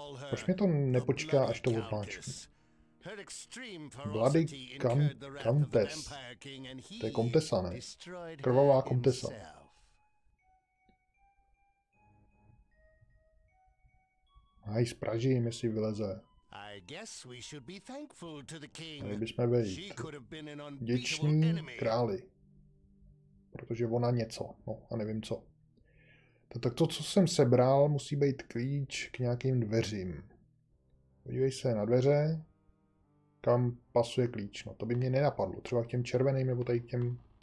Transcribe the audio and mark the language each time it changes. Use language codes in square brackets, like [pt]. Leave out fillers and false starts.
[cs] Proč mě to nepočká, až to odmáčku? [en] Her extreme ferocity incurred the wrath of the Vampire King, and he destroyed her himself. [cs] Aj, spražím, jestli vyleze. [en] I guess we should be thankful to the king. She could have been an unbeatable enemy. [cs] Králi. Protože ona něco, no a nevím co. Tak to, co jsem sebral, musí být klíč k nějakým dveřím. Podívej se na dveře, kam pasuje klíč. No to by mě nenapadlo, třeba k těm červeným nebo tady k těmhle.